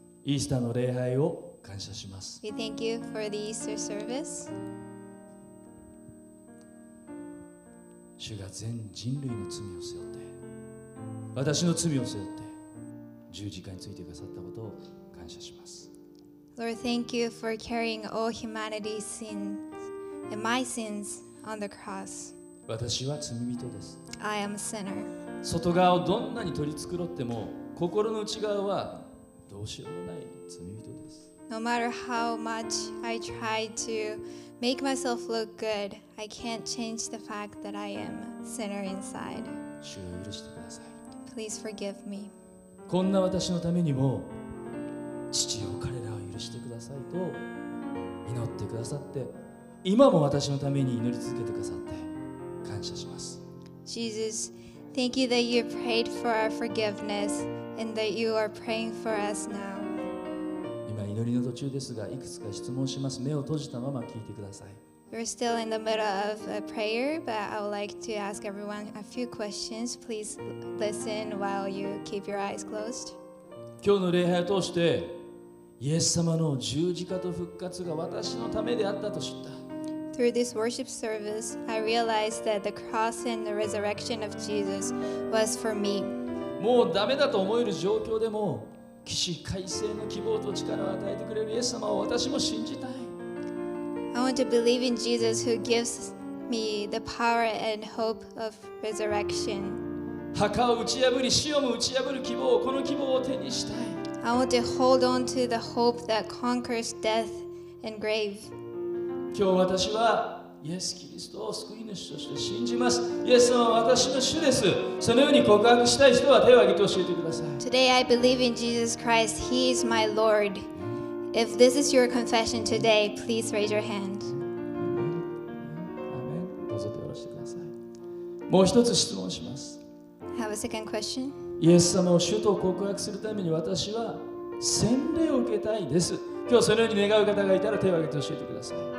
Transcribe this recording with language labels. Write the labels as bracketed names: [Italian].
[Japanese] イースターの礼拝を感謝します。 [English] We thank you for the Easter service. [Japanese] 主が全人類の罪を背負って、私の罪を背負って、十字架についてくださったことを感謝します。 [English] Lord, thank you for carrying all humanity's sins and my sins on the cross. [Japanese] 私は罪人です。 [English] I am a sinner. [Japanese] 外側をどんなに取り繕っても、心の内側はどうしようもない罪人です。 [English] No matter how much I try to make myself look good, I can't change the fact that I am a sinner inside. [Japanese] 主を許してください。 [English] Please forgive me. [Japanese] こんな私のためにも、父よ彼らを許してくださいと祈ってくださって、今も私のために祈り続けてくださって感謝します。 [English] Jesus, thank you that you prayed for our forgiveness and that you are praying for us now. [Japanese] 祈りの途中ですが、いくつか質問します。目を閉じたまま聞いてください。 [English] We're still in the middle of a prayer, but I would like to ask everyone a few questions. Please listen while you keep your eyes closed. [Japanese] 今日の礼拝を通して、イエス様の十字架と復活が私のためであったと知った。 [English] Through this worship service, I realized that the cross and the resurrection of Jesus was for me. [Japanese] もうダメだと思える状況でも、起死回生の希望と力を与えてくれるイエス様を私も信じたい。 [English] I want to believe in Jesus who gives me the power and hope of resurrection. [Japanese] 墓を打ち破り、死をも打ち破る希望、この希望を手にしたい。 [English] I want to hold on to the hope that conquers death and grave. [Japanese] 今日私はイエス・キリストを救い主として信じます。イエス様は私の主です。そのように告白したい人は手を挙げて教えてください。 [English] Today I believe in Jesus Christ. He is my Lord. If this is your confession today, please raise your hand. Amen. [Japanese] どうぞ手を下ろしてください。もう一つ質問します。 [English] I have a second question. [Japanese] イエス様を主と告白するために私は洗礼を受けたいです。今日そのように願う方がいたら手を挙げて教えてください。